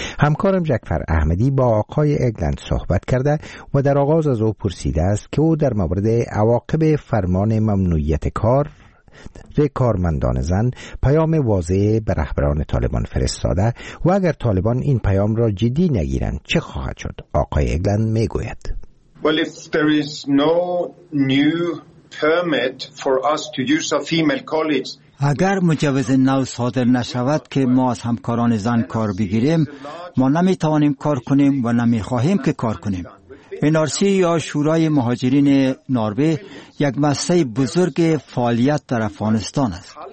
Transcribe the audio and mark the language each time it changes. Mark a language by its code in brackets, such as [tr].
[fa] همکارم جعفر احمدی با آقای اگلند صحبت کرده و در آغاز از او پرسیده است که او در مورد عواقب فرمان ممنوعیت کار در کارمندان زن پیام واضح به رهبران طالبان فرستاده و اگر طالبان این پیام را جدی نگیرند چه خواهد شد. آقای اگلند می گوید: [en] Well, if there is no new permit for us to use a female colleagues, [fa] اگر مجوز نو صادر نشود که ما از همکاران زن کار بگیریم، ما نمی توانیم کار کنیم و نمی خواهیم که کار کنیم. انارسی یا شورای مهاجرین ناروی یک مؤسسه بزرگ فعالیت در افغانستان است.